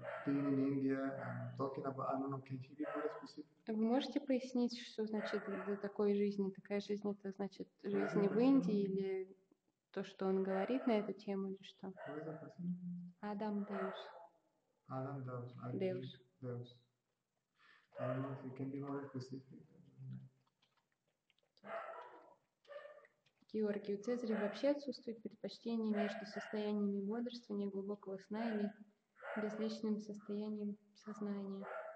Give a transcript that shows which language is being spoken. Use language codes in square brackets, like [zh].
[en] Being in India and talking about, I don't know, can you be more specific? [ru] Вы можете пояснить, что значит до такой жизни? Такая жизнь, это значит жизнь в Индии или то, что он говорит на эту тему или что? Адам Деус. Адам Деус. Деус. Деус. [en] I don't know if you can be more specific. [ru] Георгий, у Цезаря вообще отсутствует предпочтение между состояниями бодрствования, глубокого сна или безличным состоянием сознания.